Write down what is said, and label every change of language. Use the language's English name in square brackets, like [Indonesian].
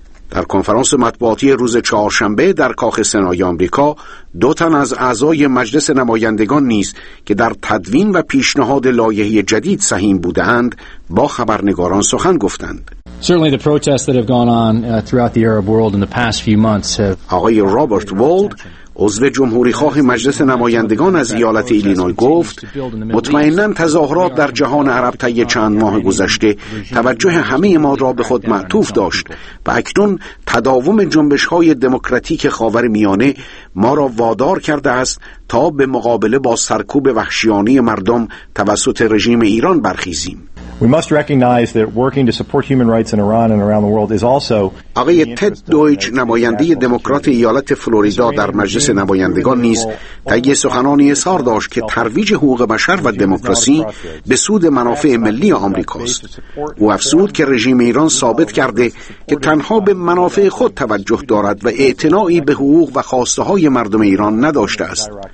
[Persian] در کنفرانس مطبوعاتی روز چهارشنبه در کاخ سنای آمریکا، دو تن از اعضای مجلس نمایندگان نیز که در تدوین و پیشنهاد لایحه جدید سهیم بودند، با خبرنگاران سخن گفتند. [English] Certainly the protests that have gone on throughout the Arab world in the past few months have. [Persian] آقای رابرت وولد، عضو جمهوری‌خواه مجلس نمایندگان از ایالت ایلینوی، گفت مطمئناً تظاهرات در جهان عرب طی چند ماه گذشته توجه همه ما را به خود معطوف داشت و اکنون تداوم جنبش‌های دموکراتیک خاورمیانه ما را وادار کرده است تا به مقابله با سرکوب وحشیانه مردم توسط رژیم ایران برخیزیم. [English] We must recognize that working to support human rights in Iran and around the world is also. [Persian] آقای تد دویچ، نماینده دموکرات ایالت فلوریدا در مجلس نمایندگان، نیز طی سخنانی اظهار داشت که ترویج حقوق بشر و دموکراسی به سود منافع ملی آمریکاست. او افزود که رژیم ایران ثابت کرده که تنها به منافع خود توجه دارد و اعتنایی به حقوق و خواسته های مردم ایران نداشته است.